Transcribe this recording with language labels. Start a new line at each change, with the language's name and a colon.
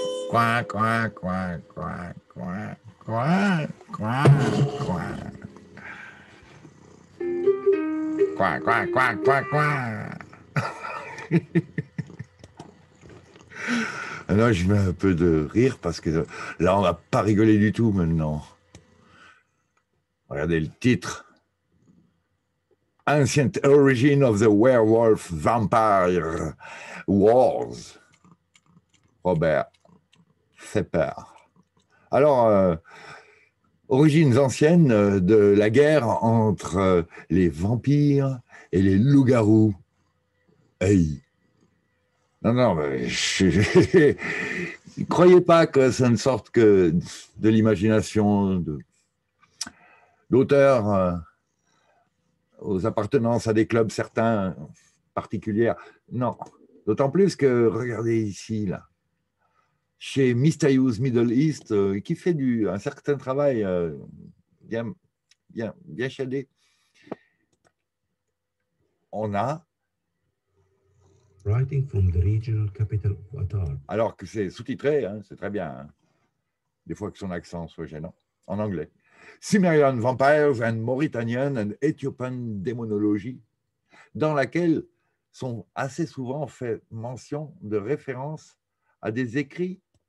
French: Quack, quack, quack, quack, quack. Quack, quack, quack. Quack, quack, quack, quack, quack. Alors, je mets un peu de rire parce que là, on va pas rigoler du tout maintenant. Regardez le titre.
English: Ancient Origin of the Werewolf Vampire Wars.
French: Robert Sepper. Alors, origines anciennes de la guerre entre les vampires et les loups-garous. Hey. Non, non, mais je croyez pas que ça ne sorte que de l'imagination de l'auteur aux appartenances à des clubs certains particuliers. Non, d'autant plus que, regardez ici, là, chez Mysterious Middle East, qui fait un certain travail bien chadé, on a.
English: Writing from the regional capital of Qatar.
French: Alors que c'est sous-titré, hein, c'est très bien. Hein. Des fois que son accent soit gênant, en anglais.
English: Sumerian Vampires and Mauritanian and Ethiopian Demonology,
French: dans laquelle sont assez souvent fait mention de références à des écrits.